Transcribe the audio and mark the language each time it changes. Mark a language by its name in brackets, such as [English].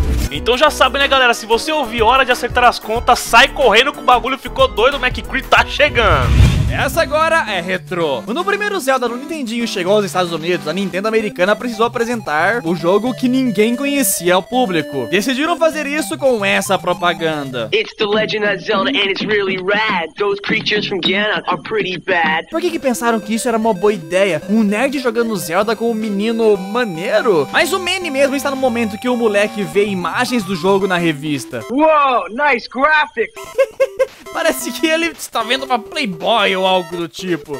[Portuguese] Então já sabe, né, galera? Se você ouvir hora de acertar as contas, sai correndo que o bagulho ficou doido, o McCree tá chegando. Essa agora é retrô. Quando o primeiro Zelda do Nintendinho chegou aos Estados Unidos, a Nintendo americana precisou apresentar o jogo que ninguém conhecia ao público. Decidiram fazer isso com essa propaganda. [English] It's the Legend of Zelda and it's really rad. Those creatures from Ganon are pretty bad. [Portuguese] Por que que pensaram que isso era uma boa ideia? Um nerd jogando Zelda com um menino maneiro? Mas o Manny mesmo está no momento que o moleque vê imagens do jogo na revista. [English] Wow, nice graphics! [Portuguese] Parece que ele está vendo uma Playboy ou algo do tipo.